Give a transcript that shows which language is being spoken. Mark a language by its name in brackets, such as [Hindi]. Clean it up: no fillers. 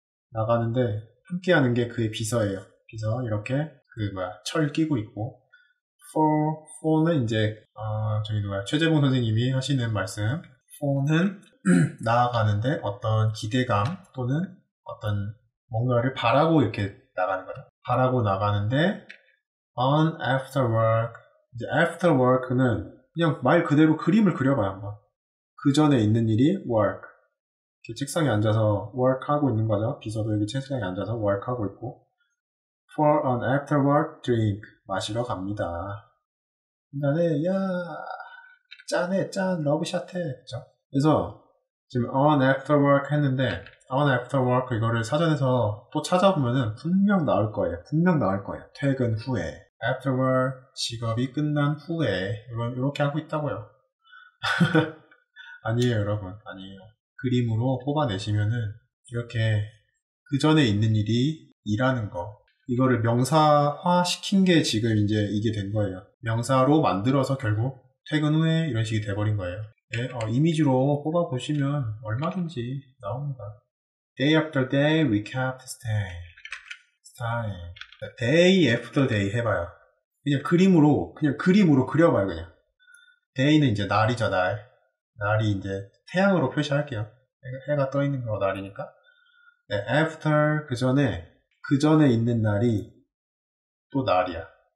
[Korean] 나가는데, 함께 하는 게 그의 비서예요. 비서, 이렇게, 철 끼고 있고. for는 이제, 최재봉 선생님이 하시는 말씀. for는, 나아가는데, 어떤 기대감, 또는 어떤 뭔가를 바라고 이렇게 나가는 거죠. 바라고 나가는데, [English] on after work. [Korean] 이제 after work는 그냥 말 그대로 그림을 그려봐요, 한번. 그 전에 있는 일이 work. 이렇게 책상에 앉아서 work 하고 있는 거죠. 비서도 여기 책상에 앉아서 work 하고 있고. [English] for an after work drink. [Korean] 마시러 갑니다. 그다음에, 짠해, 짠, 러브샷해. 그쵸? 그래서 지금 [English] on after work [Korean] 했는데, on after work 이거를 사전에서 또 찾아보면은 분명 나올 거예요. 분명 나올 거예요. 퇴근 후에. after work 직업이 끝난 후에. 이렇게 하고 있다고요. 아니에요, 여러분. 아니에요. 그림으로 뽑아내시면은 이렇게 그 전에 있는 일이 일하는 거. 이거를 명사화 시킨 게 지금 이제 이게 된 거예요. 명사로 만들어서 결국 퇴근 후에 이런 식이 돼버린 거예요. 이미지로 뽑아보시면 얼마든지 나옵니다. [English] Day after day, we kept staying. Day after day [Korean] 해봐요. 그냥 그림으로 그려봐요, 그냥. Day는 이제 날이죠, 날. 날이 이제 태양으로 표시할게요. 해가 떠 있는 거 날이니까. 네, after, 그 전에 있는 날이 또 날이야.